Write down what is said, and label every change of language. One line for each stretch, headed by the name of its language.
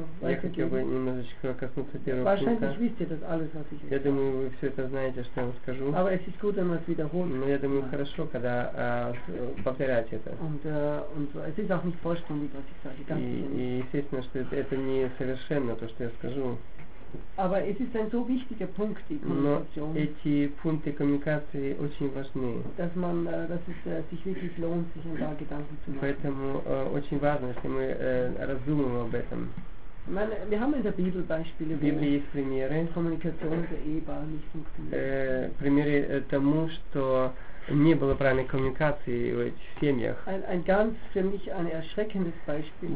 Russian: я хотел бы немножечко коснуться первого пункта.
German: Alles,
Russian: я думаю, вы все это знаете, что я вам скажу.
German: Gut,
Russian: но я думаю, хорошо, когда повторять это.
German: Und
Russian: и естественно, что это не совершенно то, что я скажу.
German: Aber es ist ein so wichtiger Punkt, die Kommunikation.
Russian: Эти пункты коммуникации очень важны.
German: Dass man, dass es sich wirklich lohnt, sich ein paar Gedanken zu machen.
Russian: Поэтому очень важно, если мы раздумываем об этом.
German: Meine, wir haben in der Bibel Beispiele,
Russian: в Библии есть примеры.
German: Коммуникация der Ehepaare nicht funktioniert.
Russian: Примеры тому, что не было правильной коммуникации в этих семьях.
German: Ein ganz für mich ein erschreckendes Beispiel.